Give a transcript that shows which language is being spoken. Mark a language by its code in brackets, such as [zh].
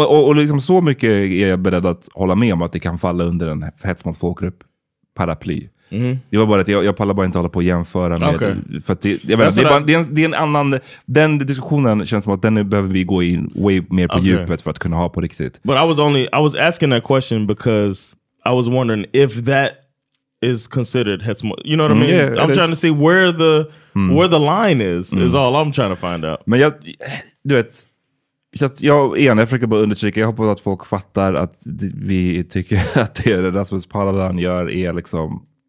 [sv] Och liksom så mycket är jag beredd att hålla med om att det kan falla under en hets mot folkgrupp paraply. Mm. Det var bara att jag pallar bara inte hålla på att jämföra med [en] okay. [sv] för att det är en annan, den diskussionen känns som att den behöver vi gå in way mer på okay. djupet för att kunna ha på riktigt. [en] But I was asking that question because I was wondering if that is considered hets, you know what I mean? Yeah, I'm trying to see where the line is all I'm trying to find out. [sv] Men jag, du vet, så att jag försöker bara undertrycka, jag hoppas att folk fattar att vi tycker att det Rasmus Paludan gör är liksom